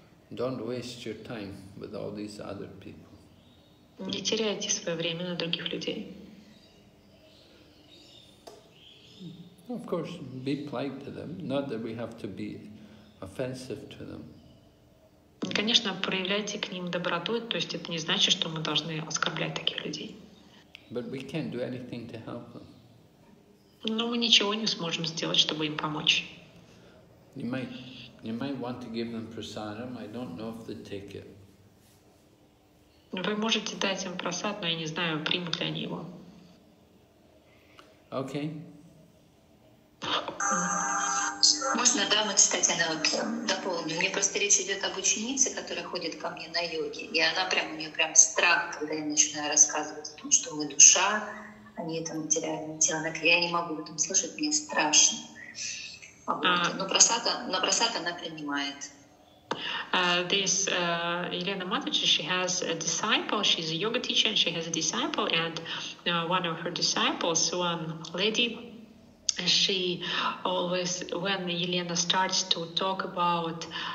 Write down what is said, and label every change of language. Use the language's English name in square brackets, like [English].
[English] Don't waste your time with all these other people. [Russian] Не теряйте свое время на других людей. [English] Of course, be polite to them. Not that we have to be offensive to them. [Russian] Конечно, проявляйте к ним доброту, то есть это не значит, что мы должны оскорблять таких людей. [English] But we can't do anything to help them. [Russian] Но мы ничего не сможем сделать, чтобы им помочь. [English] You might want to give them prasadam. I don't know if they take it. [Russian] Вы можете дать им просад, но я не знаю, примут ли они его. Окей. Можно, да, мы, кстати, она вот дополню. Мне просто речь идет об ученице, которая ходит ко мне на йоге. И она прям, у нее прям страх, когда я начинаю рассказывать о том, что мы душа, а не это материальное тело. Она говорит, я не могу в этом слушать, мне страшно. Но просад она принимает. [English] This Елена Матвич, she has a disciple, she's a yoga teacher, and she has a disciple, and one of her disciples, one lady, she always, when Елена starts to talk about